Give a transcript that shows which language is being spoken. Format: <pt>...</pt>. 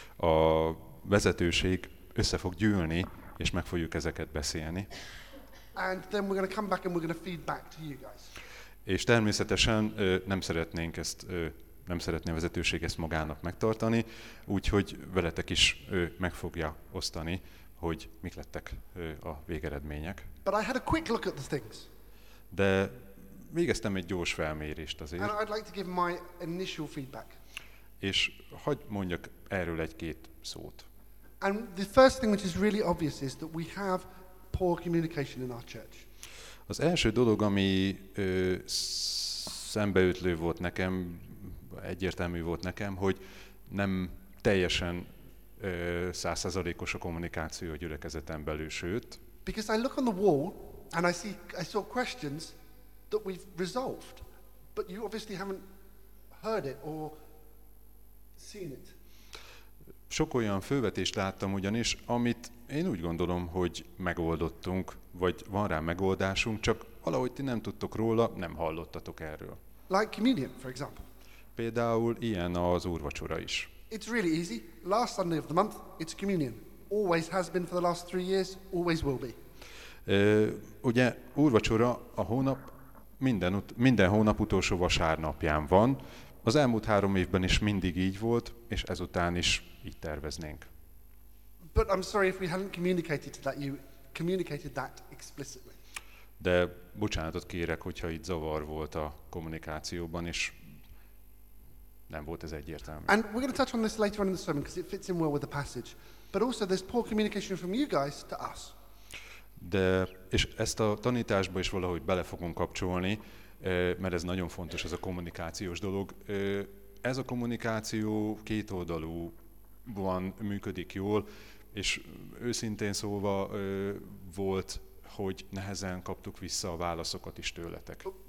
<hu>A vezetőség össze fog gyűlni és meg fogjuk ezeket beszélni.</hu> <en>And then we're going to come back and we're going to feedback to you guys.</en> <hu>És természetesen nem szeretné a vezetőség ezt magának megtartani, úgyhogy veletek is meg fogja osztani, hogy mik lettek a végeredmények.</hu> <en>But I had a quick look at the things.</en> <hu>De végeztem egy gyors felmérést azért.</hu> <en>And I'd like to give my initial feedback.</en> <hu>És hogy mondjak erről egy-két szót.</hu> <en>And the first thing which is really obvious is that we have poor communication in our church.</en> <hu>Az első dolog, ami szembeütlő volt nekem, egyértelmű volt nekem, hogy nem teljesen 100%-os a kommunikáció a gyülekezeten belül, sőt.</hu> <en>Because I look on the wall and I saw questions that we've resolved, but you obviously haven't heard it or seen it.</en> <hu>Sok olyan fővetést láttam ugyanis, amit én úgy gondolom, hogy megoldottunk, vagy van rá megoldásunk, csak valahogy ti nem tudtok róla, nem hallottatok erről.</hu> <en>Like communion, for example.</en> <hu>Például ilyen az úrvacsora is.</hu> <en>It's really easy. Last Sunday of the month, it's communion. Always has been for the last three years, always will be.</en> <hu>Ugye úrvacsora a hónap minden hónap utolsó vasárnapján van. Az elmúlt három évben is mindig így volt, és ezután is így terveznénk.</hu> <en>But I'm sorry if we haven't communicated that explicitly.</en> <hu>De bocsánatot kérek, hogyha itt zavar volt a kommunikációban, és nem volt ez egyértelmű.</hu> <en>And we're going to touch on this later on in the sermon because it fits in well with the passage. But also there's poor communication from you guys to us.</en> <hu>De, és ezt a tanításba is valahogy bele fogunk kapcsolni, mert ez nagyon fontos, ez a kommunikációs dolog. Ez a kommunikáció két oldalúban működik jól, és őszintén szólva volt, hogy nehezen kaptuk vissza a válaszokat is tőletek.</hu>